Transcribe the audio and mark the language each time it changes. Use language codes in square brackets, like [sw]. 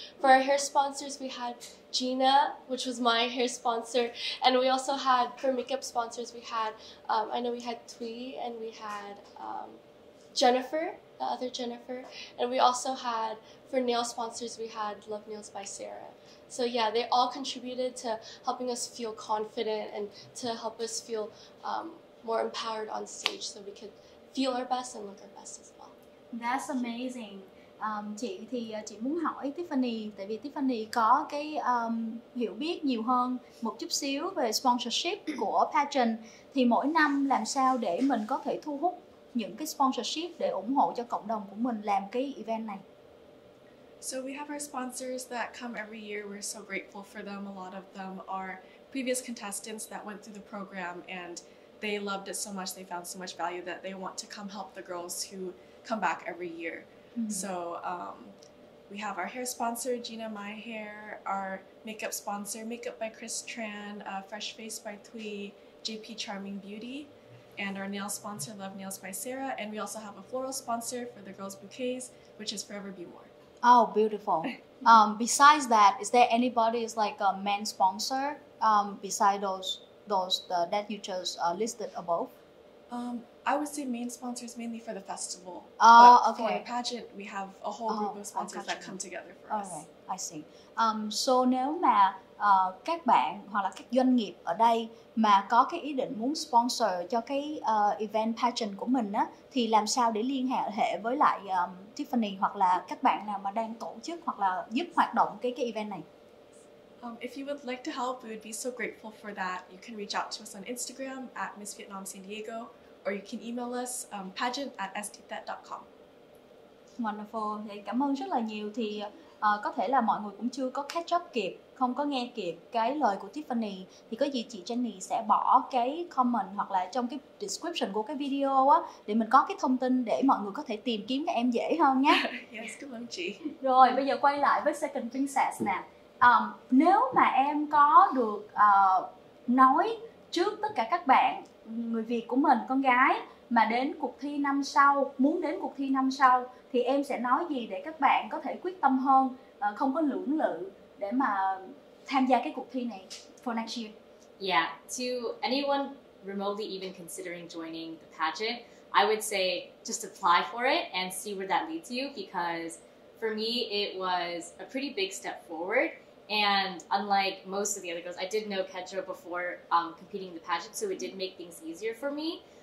[en] For our hair sponsors, we had Gina, which was my hair sponsor, and we also had for makeup sponsors, we had I know we had Thuy and we had Jennifer, the other Jennifer, and we also had for nail sponsors, we had Love Nails by Sarah. So yeah, they all contributed to helping us feel confident and to help us feel more empowered on stage so we could feel our best and look our best as well. That's amazing. [vi] Chị thì chị muốn hỏi Tiffany, tại vì Tiffany có cái hiểu biết nhiều hơn một chút xíu về sponsorship của pageant, thì mỗi năm làm sao để mình có thể thu hút những cái sponsorship để ủng hộ cho cộng đồng của mình làm cái event này? [en] So we have our sponsors that come every year. We're so grateful for them. A lot of them are previous contestants that went through the program and they loved it so much, they found so much value that they want to come help the girls who come back every year. Mm-hmm. So we have our hair sponsor, Gina My Hair, our makeup sponsor, Makeup by Chris Tran, Fresh Face by Thuy, JP Charming Beauty, and our nail sponsor, Love Nails by Sarah. And we also have a floral sponsor for the girls' bouquets, which is Forever Be More. Oh, beautiful. Besides that, is there anybody is like a main sponsor beside those that you just listed above? I would say main sponsors mainly for the festival. Oh, okay. For the pageant, we have a whole group of sponsors that come together for us. Okay, I see. [vi] So nếu mà các bạn hoặc là các doanh nghiệp ở đây mà có cái ý định muốn sponsor cho cái event pageant của mình á, thì làm sao để liên hệ với lại Tiffany hoặc là các bạn nào mà đang tổ chức hoặc là giúp hoạt động cái event này? [en] If you would like to help, we would be so grateful for that. You can reach out to us on Instagram at Miss Vietnam San Diego, or you can email us pageant@stthet.com. Wonderful. [vi] Thì cảm ơn rất là nhiều. Thì có thể là mọi người cũng chưa có [en] catch up [vi] kịp, không có nghe kịp cái lời của Tiffany, thì có gì chị Jenny sẽ bỏ cái comment hoặc là trong cái description của cái video á, để mình có cái thông tin để mọi người có thể tìm kiếm các em dễ hơn nhé. [en] Yes, [vi] cảm ơn chị. Rồi bây giờ quay lại với Second Princess nè. Nếu mà em có được nói trước tất cả các bạn người Việt của mình, con gái mà đến cuộc thi năm sau, muốn đến cuộc thi năm sau, thì em sẽ nói gì để các bạn có thể quyết tâm hơn, không có lưỡng lự để mà tham gia cái cuộc thi này [en] for next year? Yeah, to anyone remotely even considering joining the pageant, I would say just apply for it and see where that leads you, because for me it was a pretty big step forward. And unlike most of the other girls, I did know Kendra before competing in the pageant, so it did make things easier for me.